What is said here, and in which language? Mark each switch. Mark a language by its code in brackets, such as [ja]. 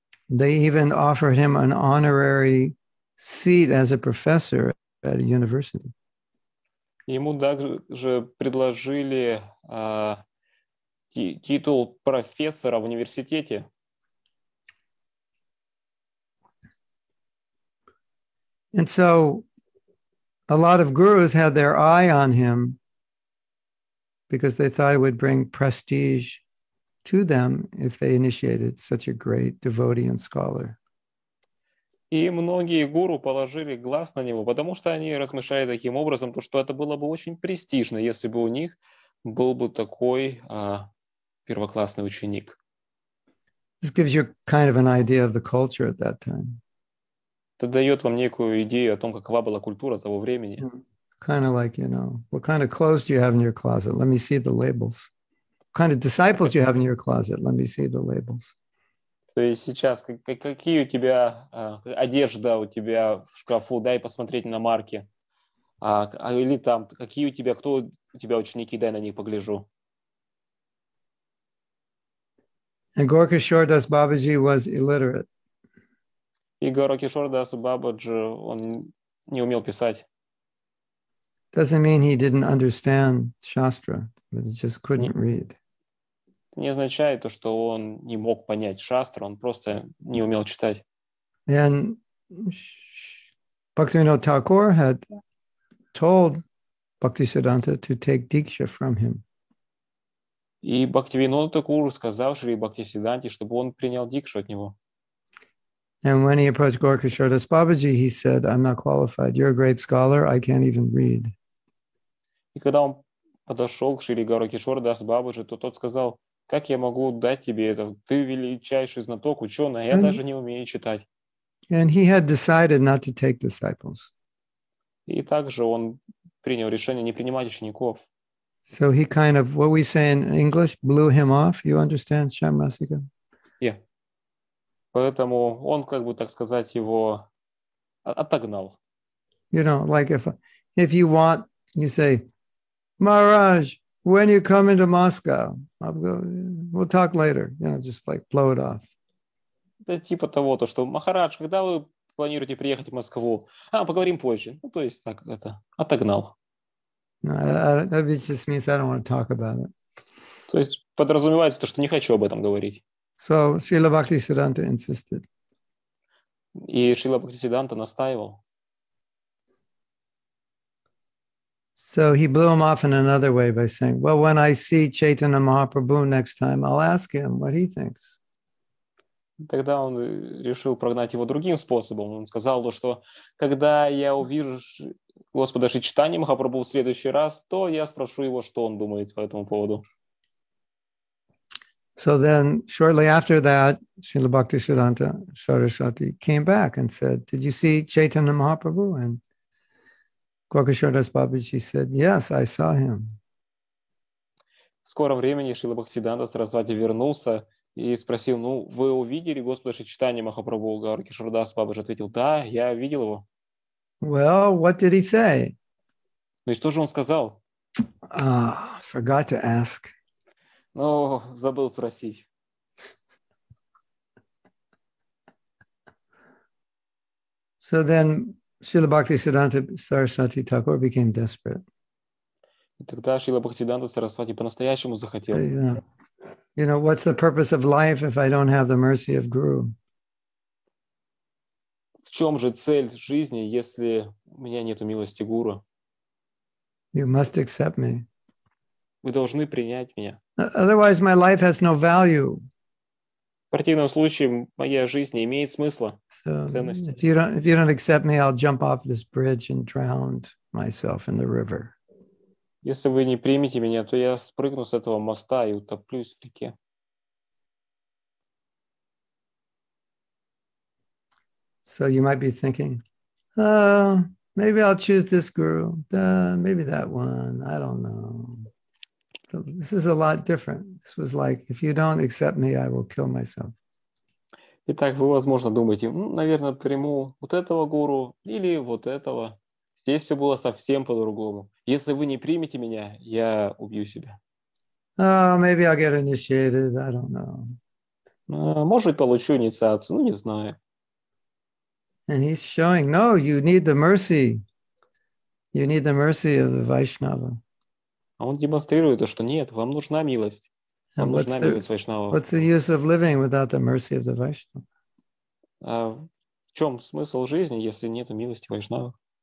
[en] They even offered him an honorary seat as a professor at a university. [ru] Ему также предложили титул профессора в университете. [en] And so a lot of gurus had their eye on him because they thought it would bring prestige to them if they initiated such a great devotee and scholar. [ru] И многие гуру положили глаз на него, потому что они размышляли таким образом, то, что это было бы очень престижно, если бы у них был бы такой первоклассный ученик. [en] This gives you kind of an idea of the culture at that time. [ru] Это дает вам некую идею о том, какова была культура того времени. [en] Kind of like, you know, what kind of clothes do you have in your closet? Let me see the labels. What kind of disciples do you have in your closet? Let me see the labels. [ru] То есть сейчас, какие у тебя одежда у тебя в шкафу, дай посмотреть на марки. Или там, какие у тебя, кто у тебя ученики, дай на них погляжу. [en] And Gaurakishore Das Babaji was illiterate. [ru] И Гаурокишор Дас Бабаджи, он не умел писать. [en] Doesn't mean he didn't understand Shastra, but he just couldn't read. [ru] Не означает то, что он не мог понять шастру, он просто не умел читать. [en] And Bhaktivinoda Thakur had told Bhaktisiddhanta to take Diksha from him. [ru] И Бхактивинода Такур сказал Шри Бхактисиддханте, чтобы он принял Дикшу от него. [en] And when he approached Gaurakishore Das Babaji, he said, I'm not qualified. You're a great scholar, I can't even read. [ru] И когда он подошел к Шри Гаурокишоре Дас Бабаджи, то тот сказал, как я могу дать тебе это? Ты величайший знаток, ученый, а я даже не умею читать. [en] And he had decided not to take disciples. [ru] И также он принял решение не принимать учеников. [en] So he kind of, what we say in English, blew him off. You understand, Shyamasika? Yeah. [ru] Поэтому он, как бы так сказать, его отогнал. [en] You know, like if you want, you say, Maharaj, when you come into Moscow, I'll go, we'll talk later. You know, just like blow it off. [ru] Да типа того, то, что Махарадж, когда вы планируете приехать в Москву? А, поговорим позже. Ну, то есть так это, отогнал. [en] No, that just means I don't want to talk about it. [ru] То есть подразумевается то, что не хочу об этом говорить. [en] So Srila Bhaktisiddhanta insisted. [ru] И Srila Bhaktisiddhanta настаивал. [en] So he blew him off in another way by saying, well, when I see Chaitanya Mahaprabhu next time, I'll ask him what he thinks. [ru] Тогда он решил прогнать его другим способом. Он сказал то, что когда я увижу Господа Шри Чайтанья Махапрабху в следующий раз, то я спрошу его, что он думает по этому поводу. [en] So then, shortly after that, Srila Bhaktisiddhanta Saraswati came back and said, did you see Chaitanya Mahaprabhu? And Gaurakishore Das Babaji said, yes, I saw him. [ru] В скором времени Шрила Бхактисиддханта Сарасвати вернулся и спросил, ну, вы увидели Господа Шри Чайтанья Махапрабху? Гаурокишор Дас Бабаджи ответил, да, я видел его. [en] Well, what did he say? [ru] Ну и что же он сказал? [en] Forgot to ask. [ru] Ну, забыл спросить. [en] So then Srila Bhaktisiddhanta Saraswati Thakur became desperate. [ru] И тогда Шрила Бхактисиддханта Сарасвати по-настоящему захотел. [en] You know, what's the purpose of life if I don't have the mercy of Guru? [ru] В чем же цель жизни, если у меня нет милости Гуру? [en] You must accept me. [ru] Вы должны принять меня. [en] Otherwise, my life has no value. [ru] В противном случае, моя жизнь не имеет смысла, so, ценности. [en] If you don't accept me, I'll jump off this bridge and drown myself in the river. [ru] Если вы не примете меня, то я спрыгну с этого моста и утоплюсь в реке. [en] So you might be thinking, maybe I'll choose this guru, maybe that one, I don't know. So this is a lot different. This was like, if you don't accept me, I will kill myself. [ru] Итак, вы, возможно, думаете, наверное, приму вот этого гуру или вот этого. Здесь все было совсем по-другому. Если вы не примете меня, я убью себя. [en] Maybe I'll get initiated, I don't know. [ru] Может, получу инициацию, ну, не знаю. [en] And he's showing, no, you need the mercy. You need the mercy of the Vaishnava. [ru] А он демонстрирует то, что нет, вам нужна милость. Вам нужна милость Вайшнава. [en] What's the use of living without the mercy of the Vaishnava? [ru] В чем смысл жизни, если нет милости Вайшнава?